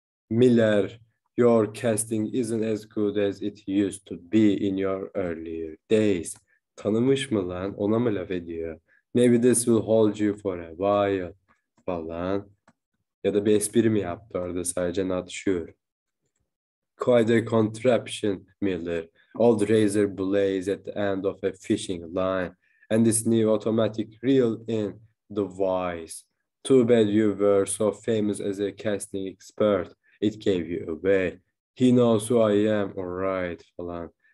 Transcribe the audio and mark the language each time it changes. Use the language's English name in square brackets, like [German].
[English] Miller, your casting isn't as good as it used to be in your earlier days. [Turkish] Tanımış mı lan? Ona mı laf ediyor? [English] Maybe this will hold you for a while. Falan. [Turkish] Ya da bir espri mi yaptı orada sadece? [English] Not sure. Quite a contraption, Miller. Old razor blades at the end of a fishing line. And this new automatic reel in the vise. Too bad you were so famous as a casting expert. It gave you away. He knows who I am, alright, falan.